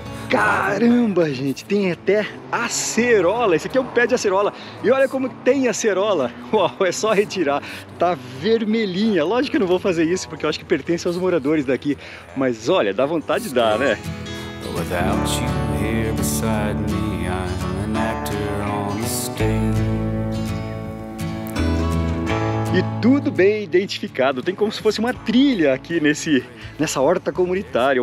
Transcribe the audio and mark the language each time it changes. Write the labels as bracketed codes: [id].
[pt] Caramba, gente, tem até acerola. Esse aqui é um pé de acerola. E olha como tem acerola. Uau, é só retirar. Tá vermelhinha. Lógico que eu não vou fazer isso, porque eu acho que pertence aos moradores daqui. Mas olha, dá vontade de dar, né? [en] Without you here beside me, I'm an actor on the stage. [pt] E tudo bem identificado. Tem como se fosse uma trilha aqui nessa horta comunitária.